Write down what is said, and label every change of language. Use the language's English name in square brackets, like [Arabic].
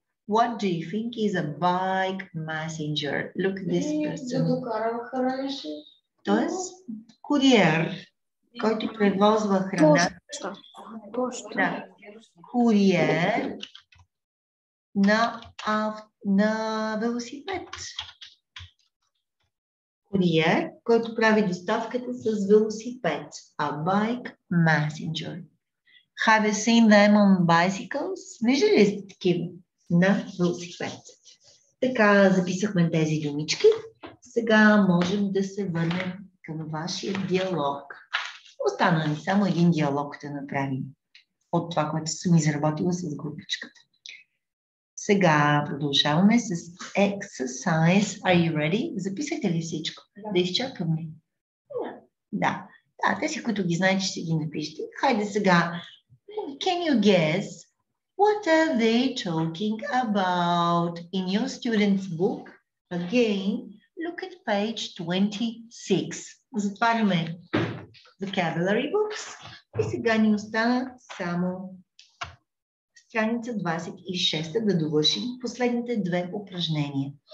[English] What do you think is a bike messenger? Look at this person. [Bulgarian] Тоест, куриер, който превозва храна. Пошта. Куриер на велосипед. Куриер, който прави доставката с велосипед. [English] A bike messenger. Have you seen them on bicycles? [Bulgarian] Виждали ли сте такива? На велосипед. Така записахме тези думички. Сега можем да се върнем към вашия диалог. Остана ни само един диалог да направим от това, което съм изработила с групичката. Сега продължаваме с exercise. [English] Are you ready? [Bulgarian] Записахте ли всичко? Да, да изчакам ли? Да. Да. Да, тези, които ги знаете, ще ги напишете. Хайде сега. [English] Can you guess what are they talking about in your student's book? Again, look at page 26. [Bulgarian] Затваряме vocabulary books и сега ни остана само страница 26 да довършим последните две упражнения.